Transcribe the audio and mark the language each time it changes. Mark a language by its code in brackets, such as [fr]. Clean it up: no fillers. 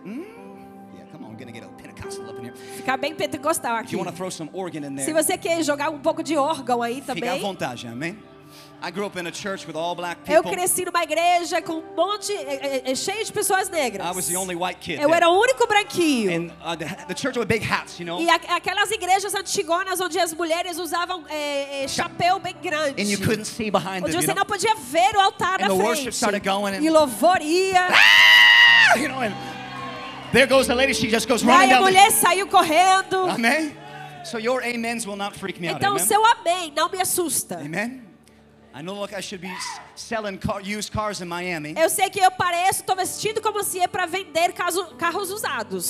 [en] I'm gonna get a Pentecostal up in here. [pt] Ficar bem pentecostal aqui. [en] If you want to throw some organ in there. [pt] Se você quer jogar pouco de órgão aí também. Fica à vontade, amém? [en] I grew up in a church with all black people. [pt] Eu cresci numa igreja com cheio de pessoas negras. [en] I was the only white kid. [pt] Eu era o único branquinho. [en] And the church with big hats, you know. [pt] E aquelas igrejas antigonas onde as mulheres usavam chapéu bem grande. [en] And you couldn't see behind [pt] onde [en] them, [pt] você [en] you know? [pt] Não podia ver o altar [en] and the [pt] frente. [en] Worship started going and [pt] e louvor ia. Ah! [en] You know, and there goes the lady, she just goes running down. [pt] A mulher saiu correndo. [en] Amen. So your amens will not freak me out. [pt] Então [en] amen? [pt] Seu amém não me assusta. [en] Amen. I know like I should be selling car, used cars in Miami. [pt] Eu sei que eu pareço, tô vestido como se é para vender carros usados.